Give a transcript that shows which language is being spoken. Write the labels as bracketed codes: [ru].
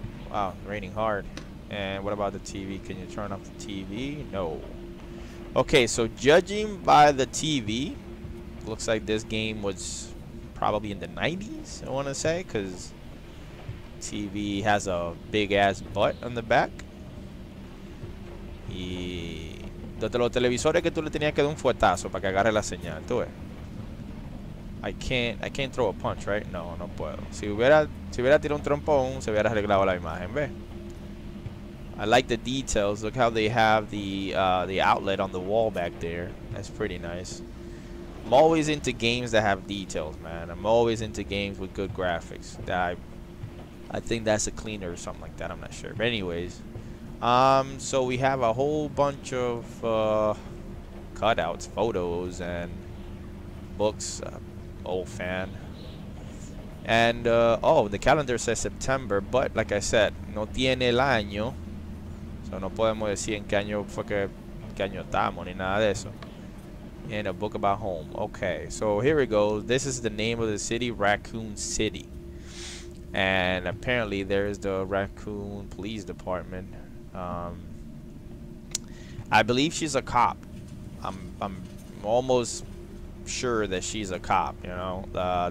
[en] Wow, raining hard. And what about the TV? Can you turn off the TV? No. Okay, so judging by the TV, looks like this game was probably in the 90s, I want to say, because TV. He has a big ass butt on the back. [es] Y desde los televisores que tú le tenías que dar un fuetazo para que agarre la señal, tú ves. [en] I can't throw a punch, right? [es] No, no puedo. Si hubiera tirado un trompón, se hubiera arreglado la imagen, ve. [en] I like the details. Look how they have the outlet on the wall back there. That's pretty nice. I'm always into games that have details, man. I'm always into games with good graphics. I think that's a cleaner or something like that. I'm not sure. But anyways, so we have a whole bunch of cutouts, photos, and books. Old fan. And the calendar says September, but like I said, [es] no tiene el año. So no podemos decir en qué año fue que año estamos ni nada de eso. [en] And a book about home. Okay, so here we go. This is the name of the city, Raccoon City. And apparently there is the Raccoon Police Department. I believe she's a cop. I'm almost sure that she's a cop, you know.